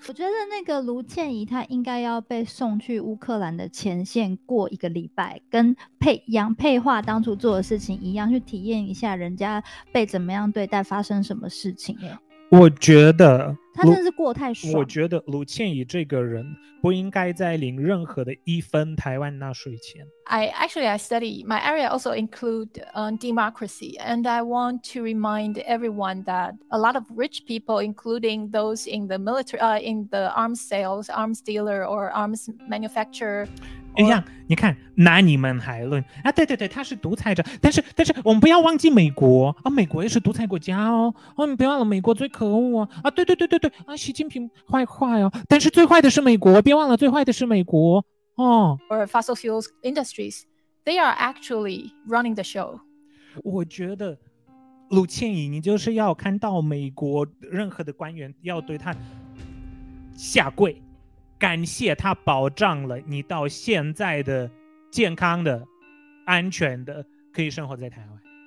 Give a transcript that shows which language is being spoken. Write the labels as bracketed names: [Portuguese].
[Chinese] 我觉得那个卢倩怡她应该要被送去乌克兰的前线过一个礼拜，跟杨佩桦当初做的事情一样，去体验一下人家被怎么样对待，发生什么事情。我觉得他真的是过太爽。我觉得卢倩怡这个人不应该再领任何的一分台湾纳税钱。 [English] I study my area also include democracy, and I want to remind everyone that a lot of rich people, including those in the military, in the arms sales, arms dealer, or arms manufacturer. [Chinese] 一样，你看拿你们还论啊？对对对，他是独裁者，但是我们不要忘记美国啊，美国也是独裁国家哦。哦，你不要忘了美国最可恶啊！对对对对对啊，习近平坏坏哦，但是最坏的是美国，别忘了最坏的是美国。 [English] Or fossil fuels industries, they are actually running the show. [Chinese] 我觉得卢倩怡，你就是要看到美国任何的官员要对他下跪，感谢他保障了你到现在的健康的、安全的，可以生活在台湾。